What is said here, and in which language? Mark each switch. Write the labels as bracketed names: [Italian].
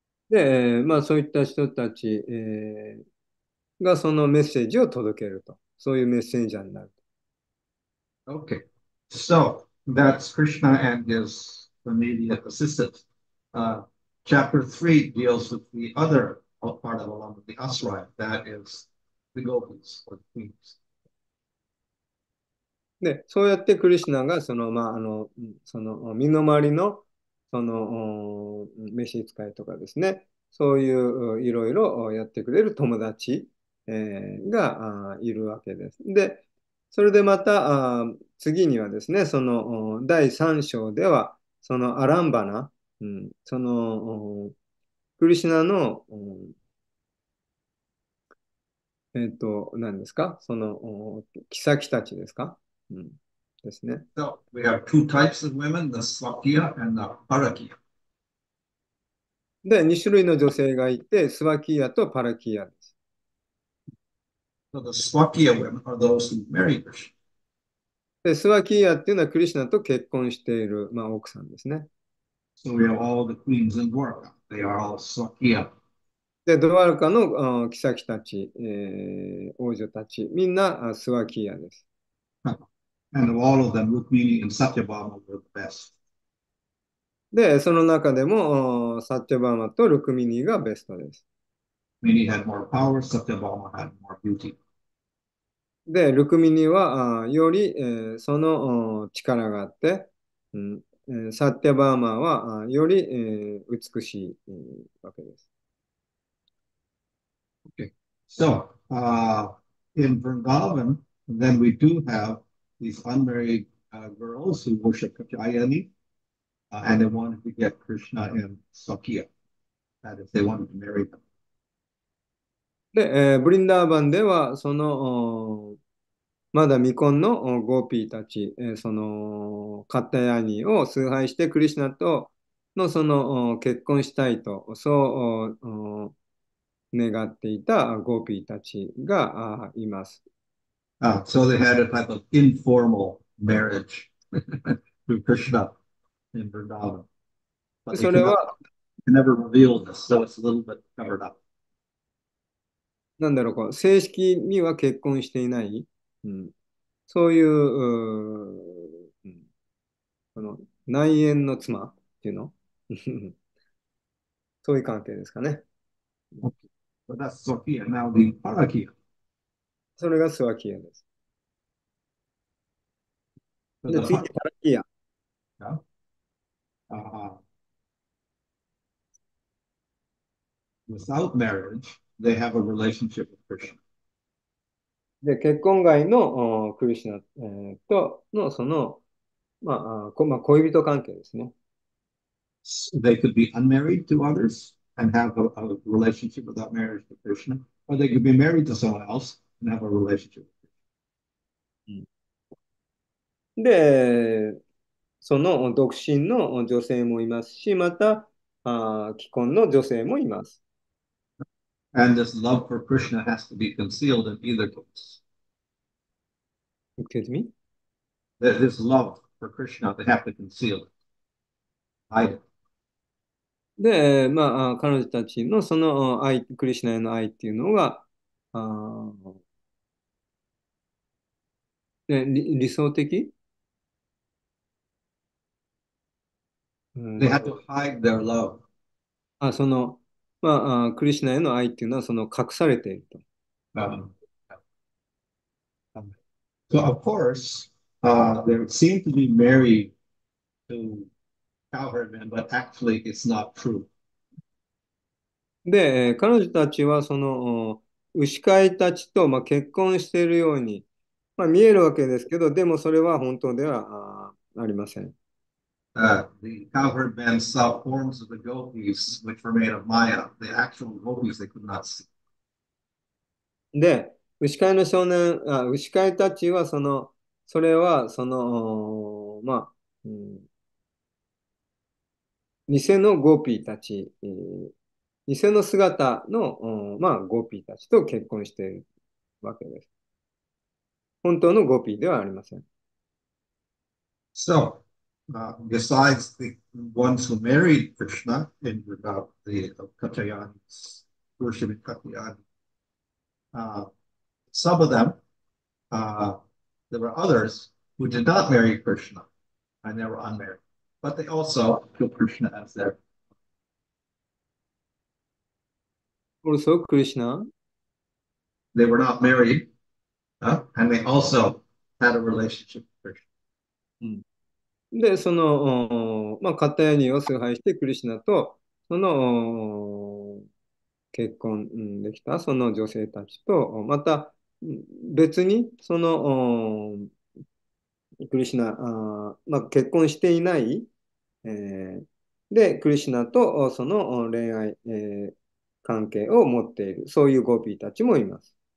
[Japanese] で、まあそういった人たち、がそのメッセージを届けると。そういうメッセンジャーになる。 [English] Okay, so that's Krishna and his immediate assistant. Chapter 3 deals with the other part of Alamba, the Asraya, that is the gopis or the queens. [Japanese] で、そうやってクリシナが、身の回りの、召使いとかですね、そういういろいろやってくれる友達、がいるわけです。で、それでまた次にはですね、その第3章では、そのアランバナ、そのクリシナの、何ですか、その妃たちですか、ですね。 [English] So we have two types of women, the Swakya and the Parakya. [Japanese] で、2種類の女性がいて、スワキーヤとパラキーヤです。 [English] So the Swakya women are those who marry Krishna. [Japanese] で、スワキーヤっていうのはクリシナと結婚している、まあ、奥さんですね。 [English] So we have all the queens in Dwarka. They are all Swakya. [Japanese] で、ドワルカの、妃たち、王女たち、みんな、スワキーヤです。 [English] And of all of them, Rukmini and Satyabhama were the best. [Japanese] で、その中でも、サッチャバーマとルクミニーがベストです。 [English] Rukmini had more power, Satyabhama had more beauty. [Japanese] で、ルクミニーは、より、力があって、サッチャバーマは、より、美しい、わけです。 [English] So, in Vrindavan, then we do have these unmarried girls who worship Kakayani, and they wanted to get Krishna and Sakya, that is, they wanted to marry them. [Japanese] で、ブリンダーバンでは、その、まだ未婚のゴーピーたち、その、カッタヤニを崇拝して、クリシナとの、その、結婚したいと、そう、願っていたゴーピーたちがいます。 [English] So they had a type of informal marriage to Krishna in Vrindavan. But [Japanese] それは、 [English] they never revealed this, so it's a little bit covered up. [Japanese] なんだろう、正式には結婚していない、そういう、この内縁の妻っていうの そういう関係ですかね。 [English] But that's Sophia, now the Parakia. [Japanese] それがスワキヤです。で、次、パラキヤ。 [English] Without marriage, they have a relationship with Krishna. [Japanese] で、結婚外のクリシナ、とのその、まあ、まあ、恋人関係ですね。 [English] So they could be unmarried to others and have a relationship without marriage to Krishna, or they could be married to someone else and have a relationship. [Japanese] で、その独身の女性もいますし、また、既婚の女性もいます。 [English] And this love for Krishna has to be concealed in either case. Excuse me? That this love for Krishna, they have to conceal it, hide it. [Japanese] で、まあ、彼女たちのその愛、クリシナへの愛っていうのが、理想的？ [English] They have to hide their love. [Japanese] その、まあ、クリシナへの愛っていうのはその隠されていると。 [English] So of course, they seem to be married to cowherd men, but actually it's not true. [Japanese] で、彼女たちはその牛飼いたちと、まあ、結婚しているように、まあ、見えるわけですけど、でもそれは本当ではありません。 [English] The cowherd men saw forms of the gopis, which were made of Maya. The actual gopis they could not see. [Japanese] で、牛飼いの少年、牛飼いたちはその、それはその、まあ、偽のゴーピーたち、偽の姿の、まあ、ゴーピーたちと結婚しているわけです。本当のゴーピーではありません。 [English] So, besides the ones who married Krishna in the Katayanis, worshiping Katayani, some of them, there were others who did not marry Krishna and they were unmarried, but they also took Krishna as their. Also, Krishna. They were not married, and they also had a relationship with Krishna. [Japanese] で、その、まあ、カタヤニを崇拝して、クリシナと、その、結婚できた、その女性たちと、また、別に、その、クリシナ、まあ、結婚していない、で、クリシナと、その恋愛、関係を持っている、そういうゴーピーたちもいます。